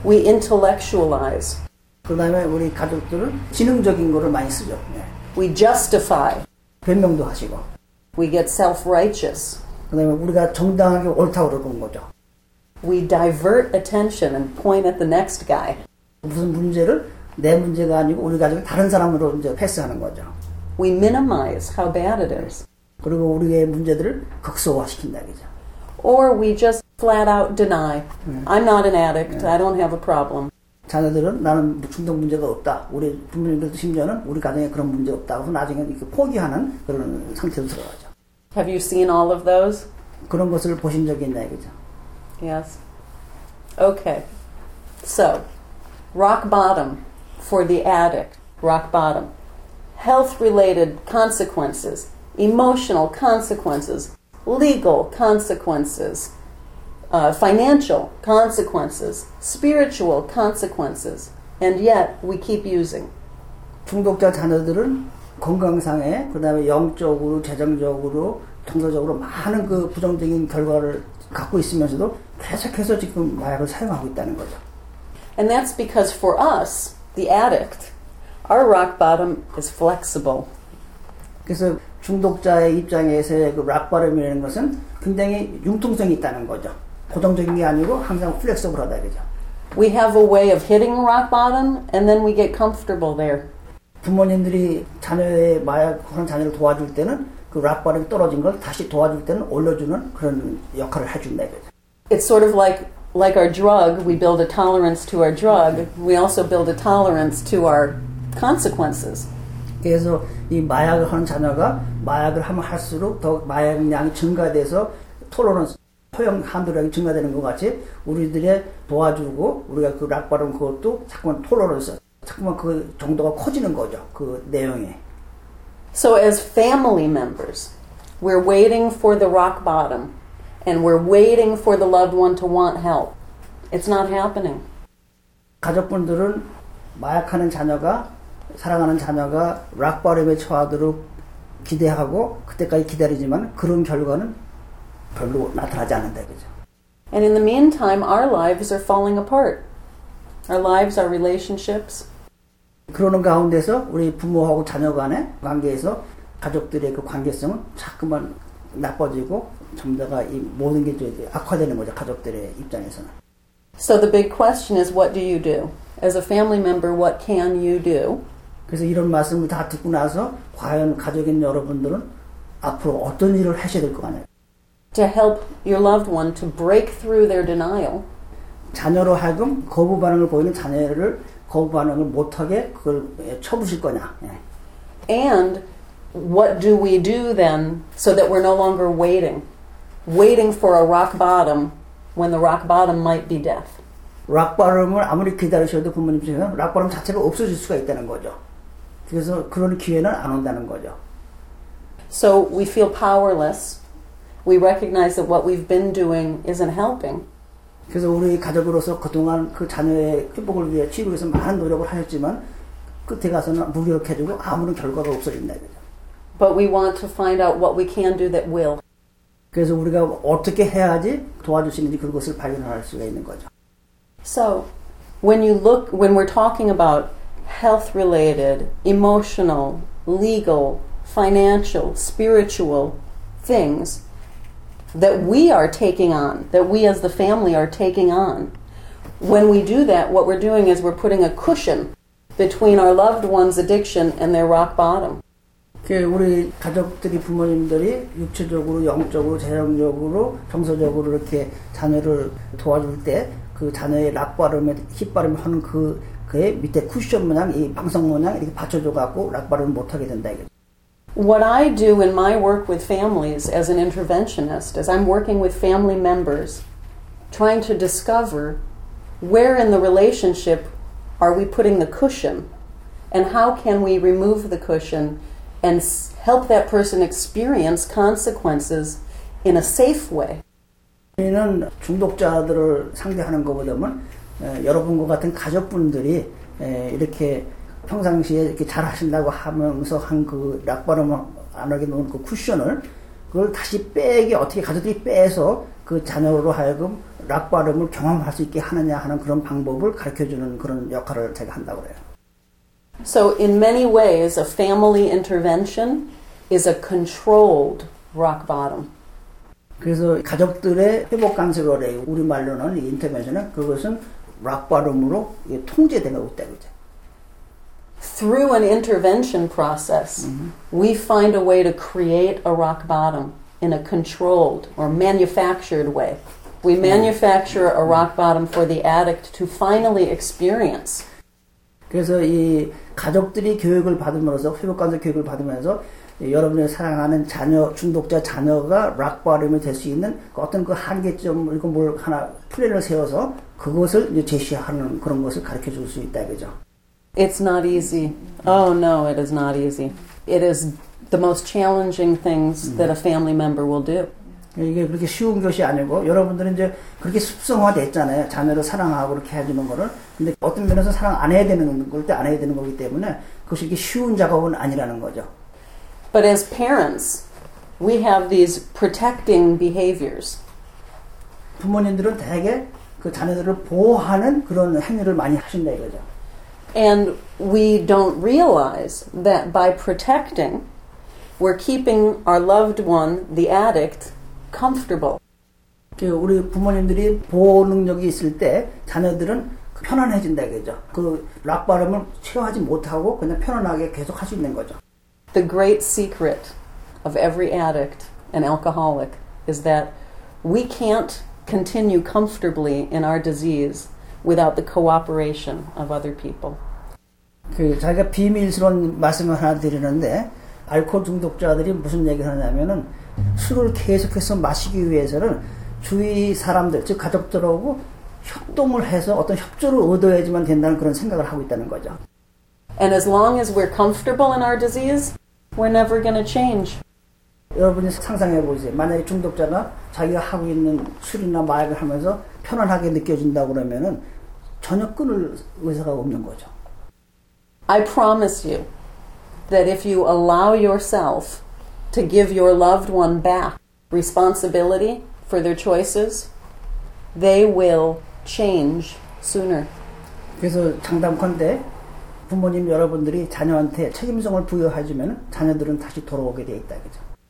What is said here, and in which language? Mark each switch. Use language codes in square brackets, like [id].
[en] We intellectualize. [ko] 그다음에 우리 가족들은 지능적인 거를 많이 쓰죠. 예. [en] We justify. [ko] 변명도 하시고. [en] We get self-righteous. [ko] 그다음에 우리가 정당하게 옳다고 그러는 거죠. [en] We divert attention and point at the next guy. [ko] 무슨 문제를 내 문제가 아니고 우리 가족이 다른 사람으로 이제 패스하는 거죠. [en] We minimize how bad it is. [ko] 그리고 우리의 문제들을 극소화시킨다, 그죠? [en] Or we just flat out deny. 예. I'm not an addict. 예. I don't have a problem. [ko] 자녀들은 나는 중독 문제가 없다. 우리 부모님들도 심지어는 우리 가정에 그런 문제 없다고 나중에 이렇게 포기하는 그런 상태로 들어가죠. [en] Have you seen all of those? [ko] 그런 것을 보신 적이 있나요, 그죠? [en] Yes. Okay. So, rock bottom for the addict. Rock bottom. Health-related consequences, emotional consequences, legal consequences. Financial consequences, spiritual consequences, and yet we keep using. [ko] 중독자 자녀들은 건강상에 그다음에 영적으로, 재정적으로, 정서적으로 많은 그 부정적인 결과를 갖고 있으면서도 계속해서 지금 마약을 사용하고 있다는 거죠. [en] And that's because for us, the addict, our rock bottom is flexible. [ko] 그래서 중독자의 입장에서의 그 rock bottom이라는 것은 굉장히 융통성이 있다는 거죠. 고정적인 게 아니고 항상 플렉서블하다 그죠. [en] We have a way of hitting rock bottom and then we get comfortable there. [ko] 부모님들이 자녀의 마약 그런 자녀를 도와줄 때는 그 rock bottom이 떨어진 걸 다시 도와줄 때는 올려주는 그런 역할을 해준다 그죠. [en] It's sort of like our drug. We build a tolerance to our drug. We also build a tolerance to our consequences. [ko] 그래서 이 마약을 하는 자녀가 마약을 하면 할수록 더 마약 양이 증가돼서 톨러런스 허용 한도량이 증가되는 것 같이 우리들의 도와주고 우리가 그 락바름 그것도 자꾸만 토러러서 자꾸만 그 정도가 커지는 거죠. 그 내용에. [en] So as family members, we're waiting for the rock bottom and we're waiting for the loved one to want help. It's not happening. [ko] 가족분들은 마약하는 자녀가 사랑하는 자녀가 락바름에 처하도록 기대하고 그때까지 기다리지만 그런 결과는 별로 나타나지 않는다, 그죠? [en] And in the meantime, our lives are falling apart. Our lives, our relationships. [ko] 그러는 가운데서 우리 부모하고 자녀 간의 관계에서 가족들의 그 관계성은 자꾸만 나빠지고 점점가 이 모든 게 이제 악화되는 거죠, 가족들의 입장에서는. [en] So the big question is, what do you do? As a family member, what can you do? [ko] 그래서 이런 말씀을 다 듣고 나서 과연 가족인 여러분들은 앞으로 어떤 일을 하셔야 될 것 같아요? [en] To help your loved one to break through their denial. [ko] 자녀로 하여금 거부 반응을 보이는 자녀를 거부 반응을 못하게 그걸 쳐부실 거냐. [en] And what do we do then so that we're no longer waiting? Waiting for a rock bottom when the rock bottom might be death. [ko] Rock bottom을 아무리 기다리셔도 부모님께서는 rock bottom 자체가 없어질 수가 있다는 거죠. 그래서 그런 기회는 안 온다는 거죠. [en] So we feel powerless. We recognize that what we've been doing isn't helping. [ko] 그래서 우리 가족으로서 그동안 그 자녀의 회복을 위해 치료해서 많은 노력을 하셨지만 끝에 가서는 무력해지고 아무런 결과가 없어진다 이거죠. [en] But we want to find out what we can do that will. [ko] 그래서 우리가 어떻게 해야지 도와줄 수 있는지 그것을 발견할 수가 있는 거죠. [en] So, when we're talking about health-related, emotional, legal, financial, spiritual things. That we are taking on, that we as the family are taking on. When we do that, what we're doing is we're putting a cushion between our loved one's addiction and their rock bottom. [ko] 우리 가족들이 부모님들이 육체적으로 영적으로 재정적으로 정서적으로 이렇게 자녀를 도와줄 때 그 자녀의 락바름에 힙바름을 하는 그의 밑에 쿠션 모양 이 방석 모양 이렇게 받쳐줘 갖고 락바름을 못하게 된다 이게. [en] What I do in my work with families as an interventionist is I'm working with family members trying to discover where in the relationship are we putting the cushion and how can we remove the cushion and help that person experience consequences in a safe way. [ko] 저희는 중독자들을 상대하는 것보다는 여러분과 같은 가족분들이 이렇게 평상시에 이렇게 잘하신다고 하면서 한 그 락바름 안 하게 놓은 그 쿠션을 그걸 다시 빼게 어떻게 가족들이 빼서 그 자녀로 하여금 락바름을 경험할 수 있게 하느냐 하는 그런 방법을 가르쳐주는 그런 역할을 제가 한다고 해요. [en] So in many ways a family intervention is a controlled rock bottom. [ko] 그래서 가족들의 회복 간섭으로 우리말로는 이 인터벤션은 그것은 락바름으로 통제되는 것이다. [en] Through an intervention process, we find a way to create a rock bottom in a controlled or manufactured way. We manufacture a rock bottom for the addict to finally experience. [ko] 그래서 이 가족들이 교육을 받으면서 회복관서 교육을 받으면서 여러분의 사랑하는 자녀 중독자 자녀가 락바름이 될 수 있는 어떤 그 한계점 이거 뭘 하나 플랜을 세워서 그것을 이제 제시하는 그런 것을 가르쳐 줄 수 있다 그죠? [en] It's not easy. Oh no, it is not easy. It is the most challenging things that a family member will do. [ko] 이게 그렇게 쉬운 것이 아니고 여러분들은 이제 그렇게 습성화됐잖아요. 자녀를 사랑하고 이렇게 해주는 거를. 근데 어떤 면에서 사랑 안 해야 되는 걸 때 안 해야 되는 거기 때문에 그것이 이렇게 쉬운 작업은 아니라는 거죠. [en] But as parents, we have these protecting behaviors. [ko] 부모님들은 대개 그 자녀들을 보호하는 그런 행위를 많이 하신다 이거죠. [en] And we don't realize that by protecting, we're keeping our loved one, the addict, comfortable. [ko] 우리 부모님들이 보호 능력이 있을 때 자녀들은 편안해진다 그죠. 그 락바름을 치료하지 못하고 그냥 편안하게 계속 할 수 있는 거죠. [en] The great secret of every addict and alcoholic is that we can't continue comfortably in our disease without the cooperation of other people. [ko] 그 자기가 비밀스러운 말씀을 하나 드리는데 알코올 중독자들이 무슨 얘기를 하냐면은 술을 계속해서 마시기 위해서는 주위 사람들, 즉 가족들하고 협동을 해서 어떤 협조를 얻어야지만 된다는 그런 생각을 하고 있다는 거죠. [en] And as long as we're comfortable in our disease, we're never going to change. [ko] 여러분이 상상해 보세요. 만약에 중독자가 자기가 하고 있는 술이나 마약을 하면서 편안하게 느껴진다고 그러면은 전혀 끊을 의사가 없는 거죠. [en] I promise you that if you allow yourself to give your loved one back responsibility for their choices, they will change sooner. [ko] 그래서 장담컨대 부모님 여러분들이 자녀한테 책임성을 부여해주면 자녀들은 다시 돌아오게 돼 있다 그죠?